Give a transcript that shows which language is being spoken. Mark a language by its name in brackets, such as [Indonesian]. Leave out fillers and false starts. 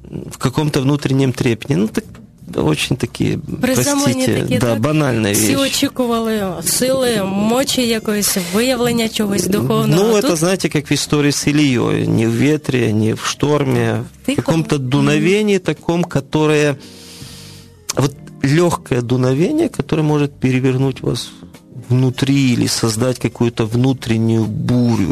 [Russian] В каком-то внутреннем трепете. Ну, так, очень такие, простите, такі, да, так, банальные вещи. [Ukrainian] Все очікували сили, мочи якоїсь, виявлення чогось духовного. [Russian] Ну, это, тут... знаете, как в истории с Ильей. Ни в ветре, ни в шторме. Тихо. В каком-то дуновении таком, которое... Вот легкое дуновение, которое может перевернуть вас внутри или создать какую-то внутреннюю бурю.